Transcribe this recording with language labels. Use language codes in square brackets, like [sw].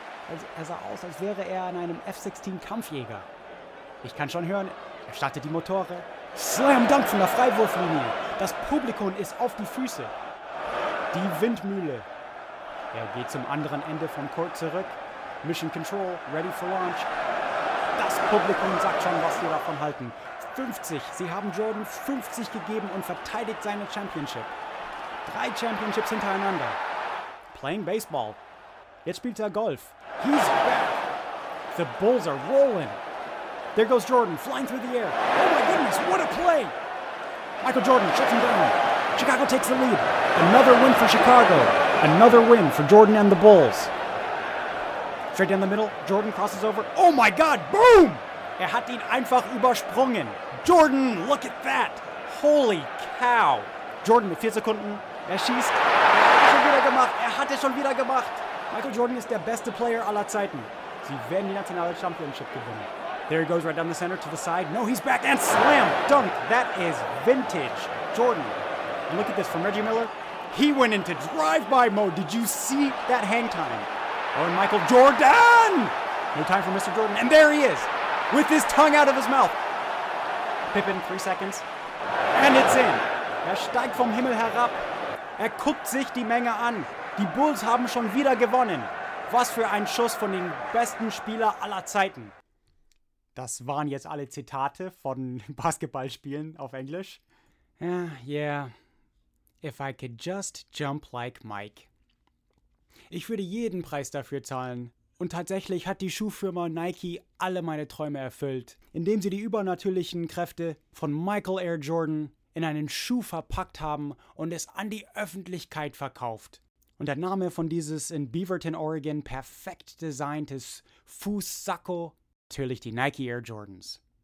[de] Also, er sah aus, als wäre er in einem F-16-Kampfjäger. Ich kann schon hören, er startet die Motore. Slam Dunk von der Freiwurflinie. Das Publikum ist auf die Füße. Die Windmühle. Er geht zum anderen Ende vom Court zurück. [en] Mission Control, ready for launch. [de] Das Publikum sagt schon, was sie davon halten. 50, sie haben Jordan 50 gegeben und verteidigt seine Championship. 3 Championships hintereinander. [en] Playing Baseball. [de] Jetzt spielt er Golf. [en] He's back. The Bulls are rolling. There goes Jordan, flying through the air. Oh my goodness, what a play. Michael Jordan shuts him down. Chicago takes the lead. Another win for Chicago. Another win for Jordan and the Bulls. Straight down the middle, Jordan crosses over. Oh my God, boom! [de] Er hat ihn einfach übersprungen. Jordan, [en] look at that! Holy cow! [de] Jordan mit 4 Sekunden, er schießt. Er hat es schon wieder gemacht! Michael Jordan ist der beste Player aller Zeiten. Sie werden die nationale Championship gewinnen. [en] There he goes right down the center to the side. No, he's back and slam dunk! That is vintage, Jordan. And look at this from Reggie Miller. He went into drive-by mode. Did you see that hang time? Oh, and Michael Jordan! No time for Mr. Jordan. And there he is, with his tongue out of his mouth. Pippen, 3 seconds. And it's in. [de] Er steigt vom Himmel herab. Er guckt sich die Menge an. Die Bulls haben schon wieder gewonnen. Was für ein Schuss von den besten Spieler aller Zeiten. Das waren jetzt alle Zitate von Basketballspielen auf Englisch. [en] Yeah. If I could just jump like Mike. [de] Ich würde jeden Preis dafür zahlen. Und tatsächlich hat die Schuhfirma Nike alle meine Träume erfüllt, indem sie die übernatürlichen Kräfte von Michael Air Jordan in einen Schuh verpackt haben und es an die Öffentlichkeit verkauft. Und der Name von dieses in Beaverton, Oregon perfekt designtes Fußsacko, natürlich die Nike Air Jordans.